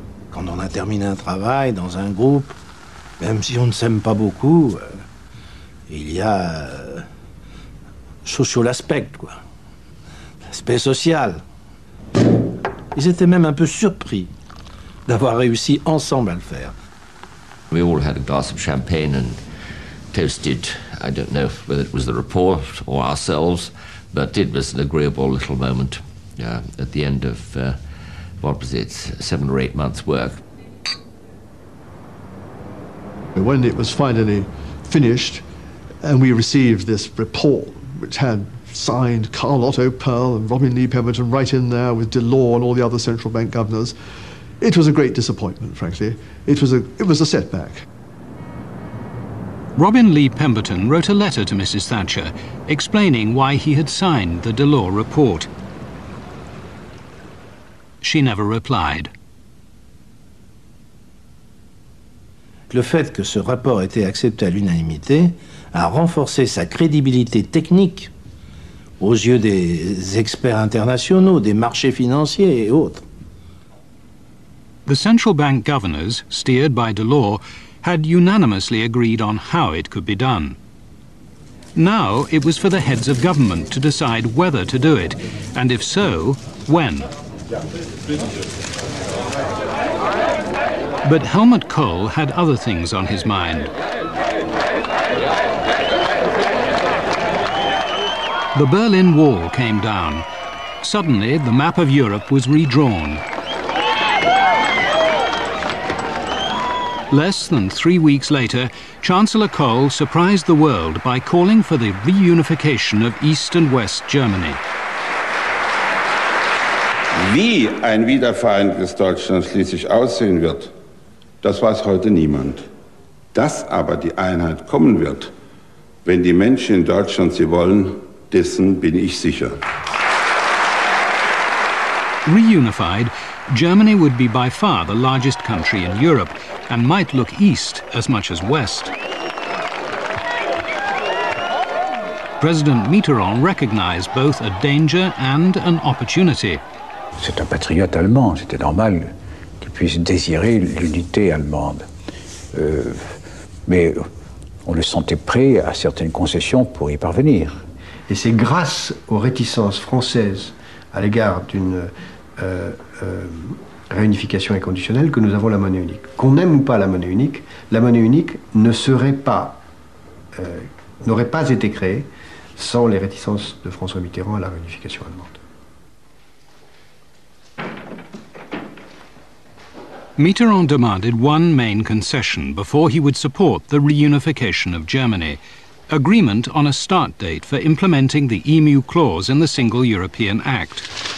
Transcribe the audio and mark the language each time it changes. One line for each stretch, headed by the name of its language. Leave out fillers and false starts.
French: Quand on a terminé un travail dans un groupe, même si on ne s'aime pas beaucoup, il y a
English: social aspect,
French: quoi. L'aspect social. Ils étaient même un peu surpris d'avoir réussi ensemble à le faire.
English: We all had a glass of champagne and toasted, I don't know whether it was the report or ourselves, but it was an agreeable little moment at the end of, what was it, 7 or 8 months' work. When it was finally finished and we received this report, which had signed Carlotto Peul and Robin Lee Pemberton right in there with Delors and all the other central bank governors, it was a great disappointment, frankly. It was a setback. Robin Lee Pemberton wrote a letter to Mrs. Thatcher explaining why he had signed the Delors report. She never replied.
French: Le fait que ce rapport ait été accepté à l'unanimité a renforcé sa crédibilité technique aux yeux des experts internationaux, des marchés financiers et autres.
English: The central bank governors, steered by Delors, had unanimously agreed on how it could be done. Now it was for the heads of government to decide whether to do it, and if so, when. But Helmut Kohl had other things on his mind. The Berlin Wall came down. Suddenly, the map of Europe was redrawn. Less than 3 weeks later, Chancellor Kohl surprised the world by calling for the reunification of East and West Germany.
German: Wie ein wiedervereintes Deutschland schließlich aussehen wird, das weiß heute niemand. Dass aber die Einheit kommen wird, wenn die Menschen in Deutschland sie wollen, dessen bin ich sicher.
English: Reunified, Germany would be by far the largest country in Europe and might look east as much as west. President Mitterrand recognized both a danger and an opportunity.
French: C'est un patriote allemand, c'était normal. Puisse désirer l'unité allemande. Mais on le sentait prêt à certaines concessions pour y parvenir. Et c'est grâce aux réticences françaises à l'égard d'une réunification inconditionnelle que nous avons la monnaie unique. Qu'on aime ou pas la monnaie unique ne serait pas, n'aurait pas été créée sans les réticences de François Mitterrand à la réunification allemande.
English: Mitterrand demanded one main concession before he would support the reunification of Germany: agreement on a start date for implementing the EMU clause in the Single European Act.